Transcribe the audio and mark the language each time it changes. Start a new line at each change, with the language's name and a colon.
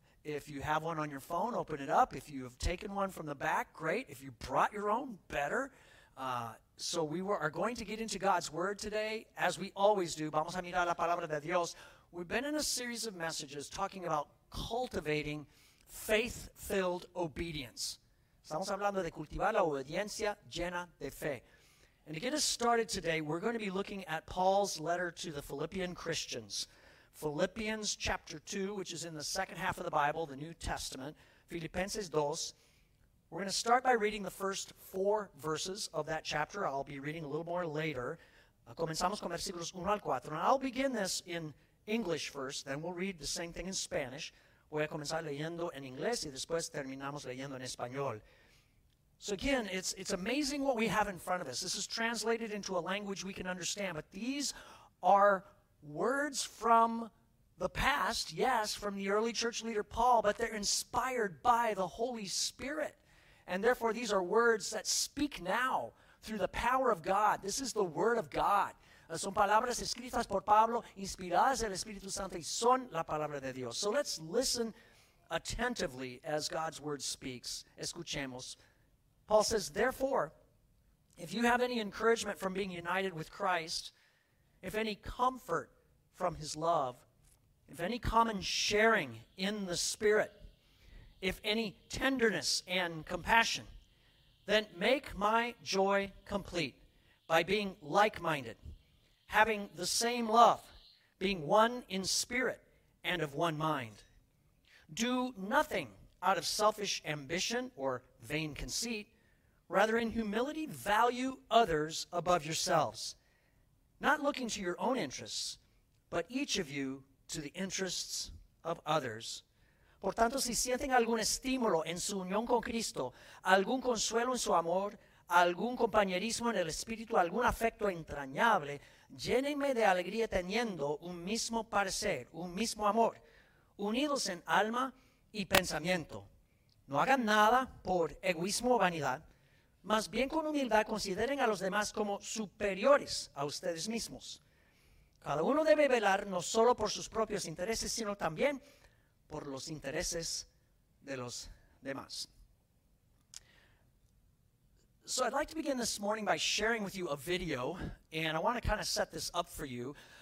English: If you have one on your phone, open it up. If you have taken one from the back, great. If you brought your own, better. So we are going to get into God's Word today, as we always do.
Spanish: Vamos a mirar la palabra de Dios.
English: We've been in a series of messages talking about cultivating faith-filled obedience.
Spanish: Estamos hablando de cultivar la obediencia llena de fe.
English: And to get us started today, we're going to be looking at Paul's letter to the Philippian Christians. Philippians chapter 2, which is in the second half of the Bible, the New Testament, Filipenses 2. We're going to start by reading the first four verses of that chapter. I'll be reading a little more later.
Spanish: Comenzamos con versículos 1 al 4.
English: And I'll begin this in English first, then we'll read the same thing in Spanish.
Spanish: Voy a comenzar leyendo en inglés y después terminamos leyendo en español.
English: So again, it's amazing what we have in front of us. This is translated into a language we can understand, but these are words from the past, yes, from the early church leader Paul, but they're inspired by the Holy Spirit. And therefore, these are words that speak now through the power of God. This is the Word of God.
Spanish: Son palabras escritas por Pablo, inspiradas del Espíritu Santo, y son la palabra de Dios.
English: So let's listen attentively as God's Word speaks.
Spanish: Escuchemos.
English: Paul says, therefore, if you have any encouragement from being united with Christ, if any comfort from his love, if any common sharing in the Spirit, if any tenderness and compassion, then make my joy complete by being like-minded, having the same love, being one in spirit and of one mind. Do nothing out of selfish ambition or vain conceit. Rather, in humility, value others above yourselves, not looking to your own interests, but each of you to the interests of others.
Spanish: Por tanto, si sienten algún estímulo en su unión con Cristo, algún consuelo en su amor, algún compañerismo en el espíritu, algún afecto entrañable, llénenme de alegría teniendo un mismo parecer, un mismo amor, unidos en alma y pensamiento. No hagan nada por egoísmo o vanidad, más bien con humildad consideren a los demás como superiores a ustedes mismos. Cada uno debe velar no solo por sus propios intereses, sino también por los intereses de los demás.
English: So I'd like to begin this morning by sharing with you a video, and I want to kind of set this up for you.